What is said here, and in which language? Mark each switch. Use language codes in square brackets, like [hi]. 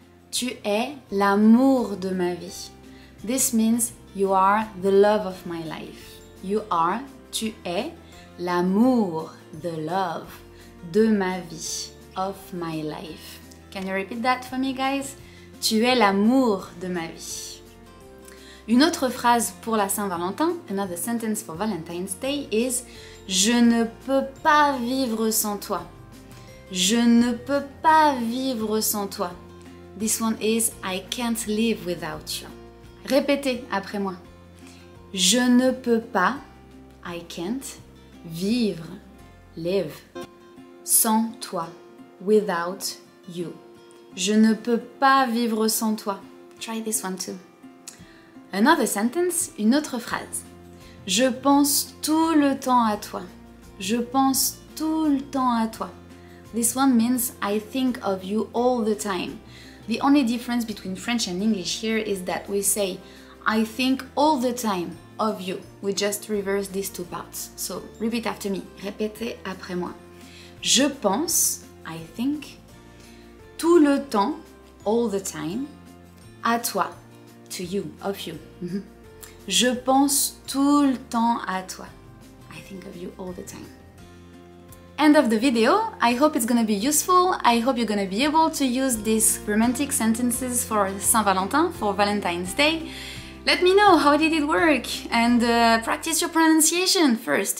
[fr] Tu es l'amour de ma vie. [en] This means, you are the love of my life. You are, [fr] tu es, l'amour, [en] the love, [fr] de ma vie, [en] of my life. Can you repeat that for me, guys? [fr] Tu es l'amour de ma vie. Une autre phrase pour la Saint-Valentin, [en] another sentence for Valentine's Day is [fr] je ne peux pas vivre sans toi. Je ne peux pas vivre sans toi. [en] This one is I can't live without you. [fr] Répétez après moi. Je ne peux pas, [en] I can't, [fr] vivre, [en] live, [fr] sans toi, [en] without you. [fr] Je ne peux pas vivre sans toi. [en] Try this one too. Another sentence, [fr] une autre phrase. Je pense tout le temps à toi. Je pense tout le temps à toi. [en] This one means I think of you all the time. The only difference between French and English here is that we say I think all the time of you. We just reverse these two parts. So repeat after me. [fr] Répétez après moi. Je pense, [en] I think, [fr] tout le temps, [en] all the time, [fr] à toi, [en] to you, of you. [fr] Je pense tout le temps à toi. [en] I think of you all the time. End of the video. I hope it's gonna be useful. I hope you're gonna be able to use these romantic sentences for Saint-Valentin, for Valentine's Day. Let me know how did it work and practice your pronunciation first.